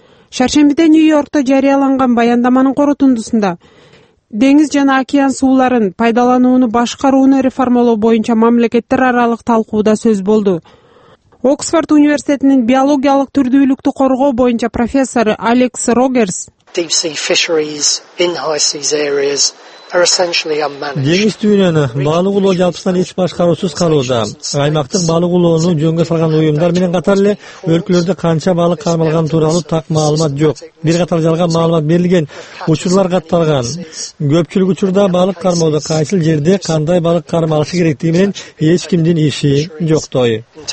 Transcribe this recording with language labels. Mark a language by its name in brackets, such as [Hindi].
[Kyrgyz] Шаршембиде Нью-Йоркто жарыяланган баяндаманын корутундусунда деңиз жана океан сууларын пайдаланууну башкарууну реформалоо боюнча мамлекеттер аралык талкууда сөз болду. Оксфорд университетинин биологиялык түрдүүлүктү коргоо боюнча профессору Алекс Рогерс: [English] Deep sea fisheries in high seas areas are essentially unmanaged. [Kyrgyz] Деңиз түбүнөнү балык улоо жалпысынан эч башкаруусуз калууда. Аймактык балык улоону жөнгө салган уюмдар менен катар эле өлкөлөрдө канча балык кармалганы тууралуу так маалымат жок. Бир катар жалган маалымат берилген учурлар катталган. Көпчүлүк учурда балык кармоодо кайсыл жерде кандай балык кармалышы керектиги менен эч кимдин иши жоктой.